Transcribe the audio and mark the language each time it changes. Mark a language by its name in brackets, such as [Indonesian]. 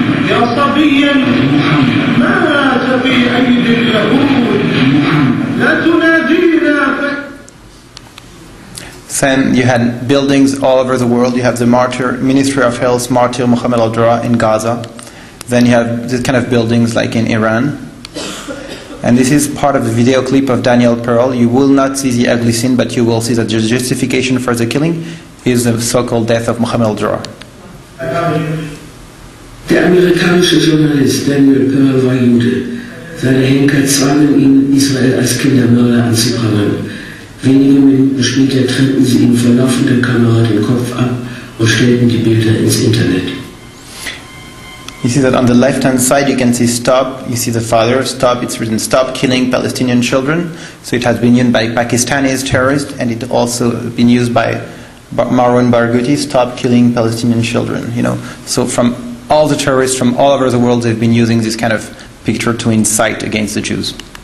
[Arabic] يا صبيا ما سبي أيدي اليهود لتنادينا [English] You had buildings all over the world. You have the martyr, Ministry of Health martyr Mohammed al-Dura in Gaza. Then you have this kind of buildings like in Iran. And this is part of the video clip of Daniel Pearl. You will not see the ugly scene, but you will see that the justification for the killing is the so-called death of Mohammed al-Dura. [German] Der amerikanische Journalist Daniel Pearl war Jude. Seine Henker zwangen ihn, Israel als Kindermörder anzuprangern. Wenige Minuten später trennten sie ihm vor laufender Kamera den Kopf ab und stellten die Bilder ins Internet. [English] You see that on the left-hand side you can see stop, you see the father, stop, it's written stop killing Palestinian children. So it has been used by Pakistani terrorists and it also been used by Marwan Barghouti, stop killing Palestinian children, you know. So from all the terrorists from all over the world, they've been using this kind of picture to incite against the Jews.